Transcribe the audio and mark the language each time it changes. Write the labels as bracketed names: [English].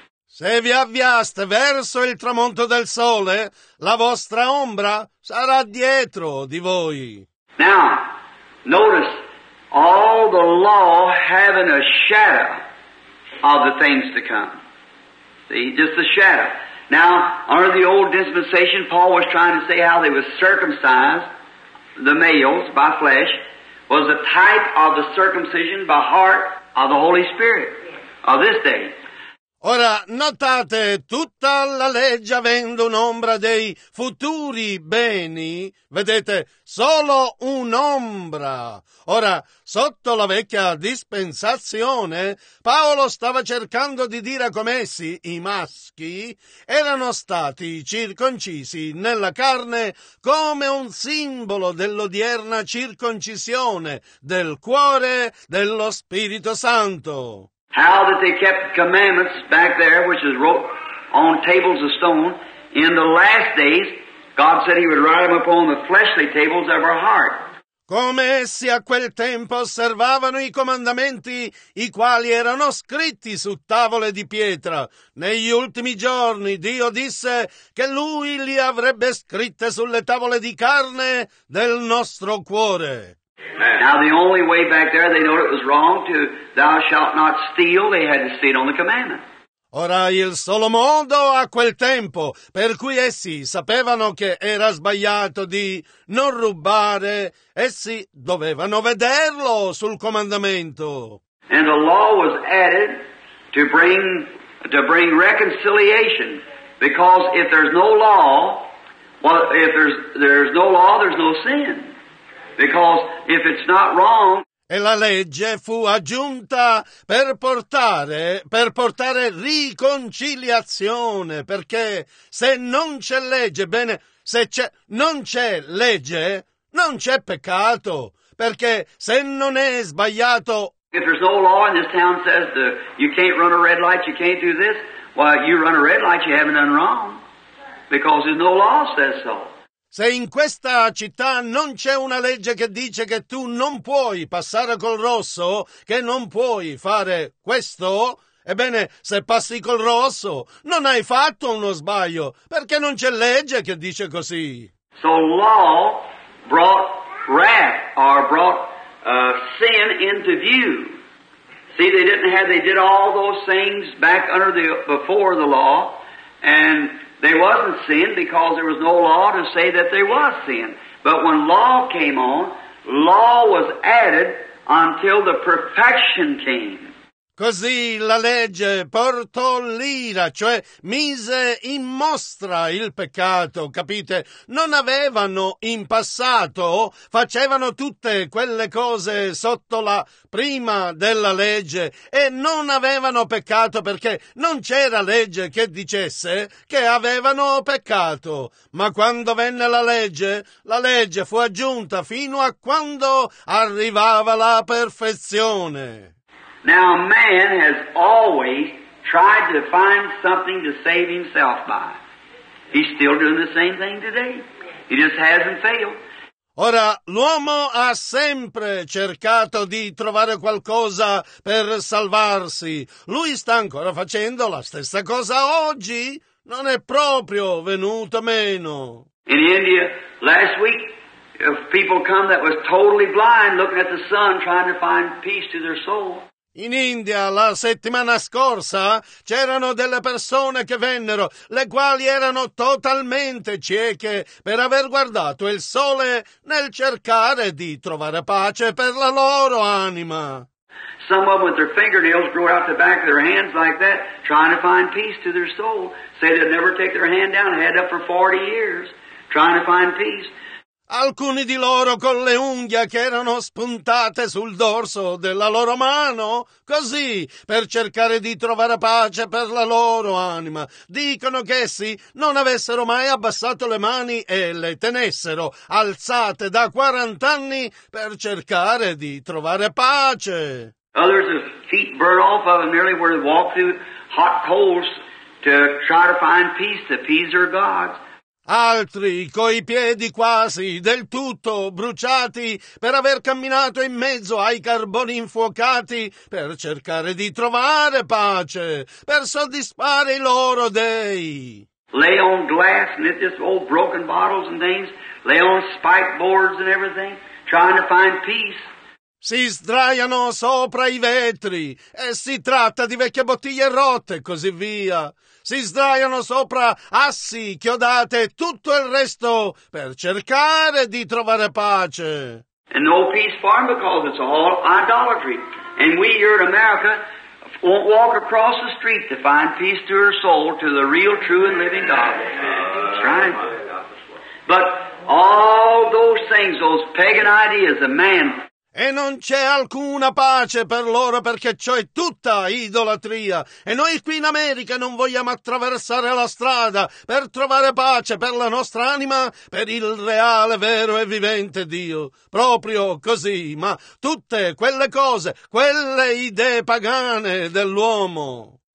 [Italian] Se vi avviaste verso il tramonto del sole, la vostra ombra sarà dietro di voi. [English] Now, notice all the law having a shadow of the things to come. See, just a shadow. Now, under the old dispensation, Paul was trying to say how they were circumcised, the males, by flesh, was a type of the circumcision by heart of the Holy Spirit of this day. [Italian] Ora, notate, tutta la legge avendo un'ombra dei futuri beni, vedete, solo un'ombra. Ora, sotto la vecchia dispensazione, Paolo stava cercando di dire com'essi, i maschi, erano stati circoncisi nella carne come un simbolo dell'odierna circoncisione del cuore dello Spirito Santo. [English] How that they kept commandments back there, which is wrote on tables of stone, in the last days, God said he would write them upon the fleshly tables of our heart. [Italian] Come essi a quel tempo osservavano i comandamenti, i quali erano scritti su tavole di pietra. Negli ultimi giorni Dio disse che lui li avrebbe scritte sulle tavole di carne del nostro cuore. [English] Now the only way back there, they know it was wrong to thou shalt not steal, they had to sit on the commandment. [Italian] Ora il solo modo a quel tempo per cui essi sapevano che era sbagliato di non rubare, essi dovevano vederlo sul comandamento. [English] And the law was added to bring reconciliation, because if there's no law, well, if there's no law, there's no sin. Because if it's not wrong, [Italian] e la legge fu aggiunta per portare riconciliazione, perché se non c'è legge, bene, se c'è, non c'è legge, non c'è peccato, perché se non è sbagliato, [English] if there's no law in this town says that you can't run a red light, you can't do this, well, you run a red light, you haven't done wrong, because there's no law says so. [Italian] Se in questa città non c'è una legge che dice che tu non puoi passare col rosso, che non puoi fare questo, ebbene, se passi col rosso, non hai fatto uno sbaglio, perché non c'è legge che dice così. [English] So law brought wrath, or brought sin into view. See, they didn't have, they did all those things back under the, before the law, and they wasn't sin because there was no law to say that there was sin. But when law came on, law was added until the perfection came. [Italian] Così la legge portò l'ira, cioè mise in mostra il peccato, capite? Non avevano in passato, facevano tutte quelle cose sotto la prima della legge e non avevano peccato perché non c'era legge che dicesse che avevano peccato. Ma quando venne la legge fu aggiunta fino a quando arrivava la perfezione. [English] Now man has always tried to find something to save himself by. He's still doing the same thing today. He just hasn't failed. [Italian] Ora, l'uomo ha sempre cercato di trovare qualcosa per salvarsi. Lui sta ancora facendo la stessa cosa oggi. Non è proprio venuto meno. [English] In India, last week, if people come that was totally blind, looking at the sun, trying to find peace to their soul. [Italian] In India la settimana scorsa c'erano delle persone che vennero, le quali erano totalmente cieche per aver guardato il sole nel cercare di trovare pace per la loro anima. [English] Some of them with their fingernails grew out the back of their hands like that, trying to find peace to their soul. Say they'd never take their hand down, head up for 40 years, trying to find peace. [Italian] Alcuni di loro con le unghie che erano spuntate sul dorso della loro mano, così, per cercare di trovare pace per la loro anima. Dicono che essi non avessero mai abbassato le mani e le tenessero alzate da 40 anni per cercare di trovare pace. [English] Others have feet burned off of them nearly where they walk through hot coals to try to find peace, to appease their gods. [Italian] Altri, coi piedi quasi del tutto bruciati per aver camminato in mezzo ai carboni infuocati per cercare di trovare pace, per soddisfare i loro dei. [English] Lay on glass and it's just old broken bottles and things, lay on spike boards and everything, trying to find peace. [Italian] Si sdraiano sopra i vetri e si tratta di vecchie bottiglie rotte e così via. Si sdraiano sopra assi, chiodate e tutto il resto per cercare di trovare pace. [English] And no peace for them because it's all idolatry. And we here in America won't walk across the street to find peace to our soul to the real, true and living God. That's right. But all those things, those pagan ideas of man. [Italian] E non c'è alcuna pace per loro perché ciò è tutta idolatria. E noi qui in America non vogliamo attraversare la strada per trovare pace per la nostra anima, per il reale, vero e vivente Dio. Proprio così, ma tutte quelle cose, quelle idee pagane dell'uomo.